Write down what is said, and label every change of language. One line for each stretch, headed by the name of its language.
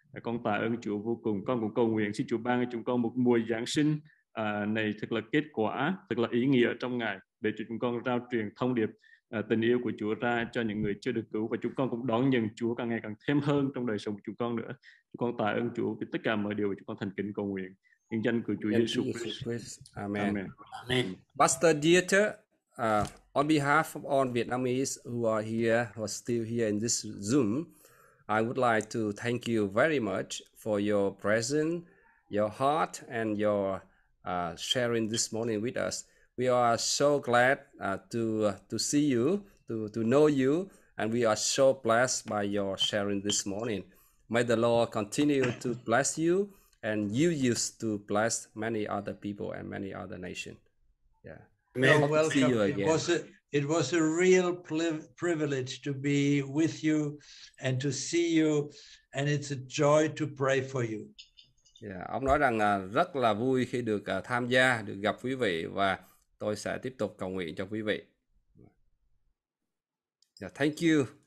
Vietnamese: Con tạ ơn Chúa vô cùng. Con cũng cầu nguyện xin Chúa ban cho chúng con một mùa Giáng sinh này thật là kết quả, thật là ý nghĩa trong Ngài, để chúng con rao truyền thông điệp tình yêu của Chúa ra cho những người chưa được cứu, và chúng con cũng đón nhận Chúa càng ngày càng thêm hơn trong đời sống của chúng con nữa. Chúng con tạ ơn Chúa vì tất cả mọi điều, chúng con thành kính cầu nguyện in danh của Chúa Giêsu Christ. Amen. Amen. Amen.
English: Pastor Dieter, on behalf of all Vietnamese who are here, who are still here in this Zoom, I would like to thank you very much for your presence, your heart, and your sharing this morning with us. We are so glad to see you, to know you, and we are so blessed by your sharing this morning. May the Lord continue to bless you and you use to bless many other people and many other nations. Yeah. Amen. Welcome. See you again. It was a real privilege to be with you and to see you, and it's a joy to pray for you.
Vietnamese: Yeah, ông nói rằng rất là vui khi được tham gia, được gặp quý vị, và tôi sẽ tiếp tục cầu nguyện cho quý vị.
English: Yeah, thank you.